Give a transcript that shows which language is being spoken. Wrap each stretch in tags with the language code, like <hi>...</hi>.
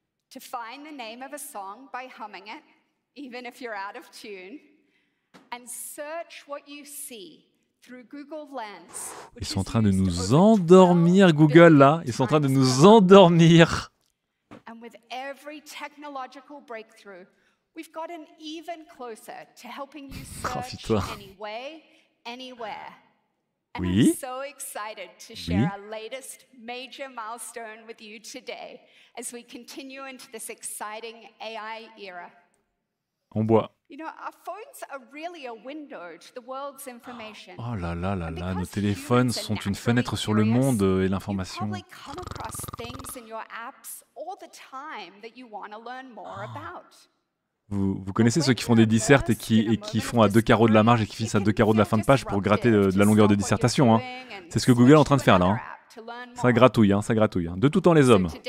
<en>To find the name of a song by humming it, even if you're out of tune, and search what you see through Google Lens.</en> <fr>Ils sont en train de nous endormir, Google, là. Ils sont en train de nous endormir.</fr> <en>And with every technological breakthrough, we've gotten even closer to helping you search any way, anywhere. And</en> <fr>oui.</fr> <en>I'm so excited to share our latest major milestone with you today as we continue into this exciting AI era.</en> <fr>On boit.</fr> <en>You know, our phones are really a window to the world's information.</en> <fr>Oh là là là là, nos téléphones sont une fenêtre sur le monde et l'information.</fr> <en>You probably come across things in your apps all the time that you want to learn more about.</en> <fr>Vous connaissez ceux qui font des dissertes et qui font à deux carreaux de la marge et qui finissent à deux carreaux de la fin de page pour gratter de la longueur de dissertation, hein. C'est ce que Google est en train de faire là, hein. Ça gratouille, hein, ça gratouille, hein. De tout temps les hommes.</fr>